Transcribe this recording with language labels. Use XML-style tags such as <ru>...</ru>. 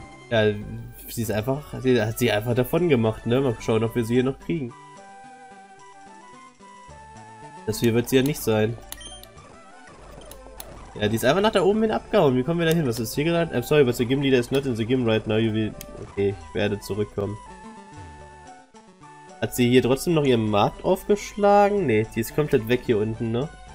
<de>Ja, sie ist einfach... Sie hat sie einfach davon gemacht, ne? Mal schauen, ob wir sie hier noch kriegen. Das hier wird sie ja nicht sein. Ja, die ist einfach nach da oben hin abgehauen. Wie kommen wir da hin? Was ist hier gerade?</de> <en>I'm sorry, but the Gym Leader is not in the Gym right now. You will...</en> <de>Okay, ich werde zurückkommen. Hat sie hier trotzdem noch ihren Markt aufgeschlagen? Ne, die ist komplett weg hier unten, ne?</de>